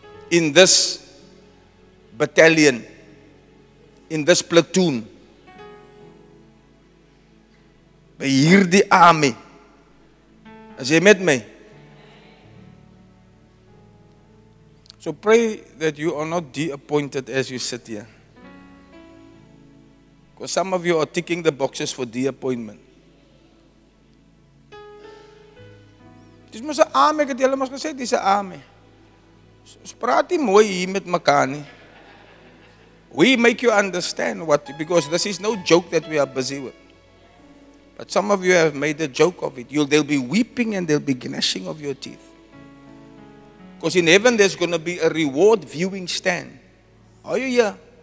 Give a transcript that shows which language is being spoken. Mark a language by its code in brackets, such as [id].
[en] In this battalion, in this platoon, by hierdie army, as jy met my. So pray that you are not de-appointed as you sit here. Because some of you are ticking the boxes for de-appointment. [af] Dis mos 'n army, ek het julle mos gesê, dis 'n army. So praat nie mooi hier met mekaar nie. [en] We make you understand what, because this is no joke that we are busy with. But some of you have made a joke of it. They'll be weeping and they'll be gnashing of your teeth. Because in heaven there's going to be a reward viewing stand. Are you here?